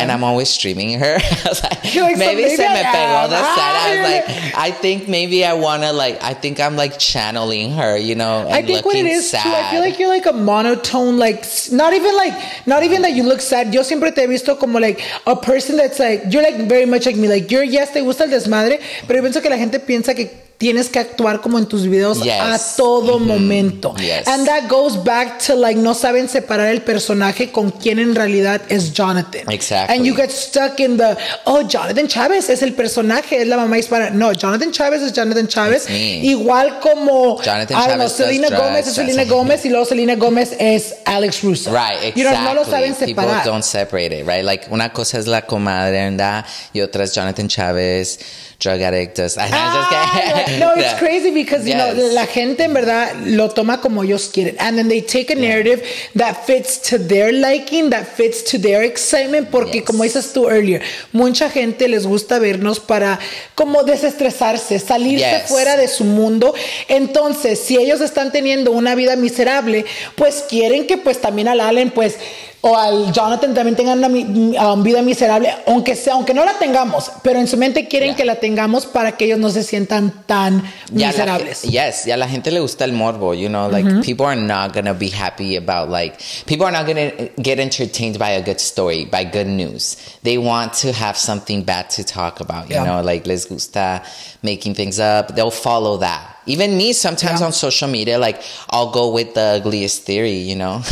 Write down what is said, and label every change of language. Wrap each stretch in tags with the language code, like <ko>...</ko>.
<en>And I'm always streaming her. I think maybe I want to, like, I think I'm, like, channeling her, you know, and looking sad. Too, I feel like you're like a monotone, like not even that you look sad.</en> <es>Yo siempre te he visto como</es> <en>like a person that's like, you're like very much like me. Like, you're, yes,</en> <es>te gusta el desmadre, pero yo pienso que la gente piensa que tienes que actuar como en tus videos a todo momento.</es> <en>Yes. And that goes back to like,</en> <es>no saben separar el personaje con quien en realidad es Jonathan.</es> <en>Exactly. And you get stuck in the, oh, Jonathan Chavez</en> <es>es el personaje, es la mamá hispana. No, Jonathan Chavez es Jonathan Chavez. Igual como, Selena Gomez es Selena Gomez y luego Selena Gomez es Alex Russo.</es> <en>Right, exactly.</en> <es>You know, no lo saben separar.</es> <en>People don't separate it, right?</en> <es>Like, una cosa es la comadre y otra es Jonathan Chavez.</es> <en>Drug addicts.</en> <es>No,</es> <en>it's crazy because, you know,</en> <es>la gente en verdad lo toma como ellos quieren.</es> <en>And then they take a narrative that fits to their liking, that fits to their excitement.</en> <es>Porque como dices tú earlier, mucha gente les gusta vernos para como desestresarse, salirse fuera de su mundo. Entonces, si ellos están teniendo una vida miserable, pues quieren que pues también al Allen, pues... o al Jonathan también tengan una vida miserable, aunque sea, aunque no la tengamos, pero en su mente quieren que la tengamos para que ellos no se sientan tan miserables. Y a la gente le gusta el morbo,</es> <en>you know, like people are not gonna be happy about, like, people are not gonna get entertained by a good story, by good news. They want to have something bad to talk about, you know, like,</en> <es>les gusta</es> <en>making things up. They'll follow that. Even me, sometimes on social media, like, I'll go with the ugliest theory, you know?</en>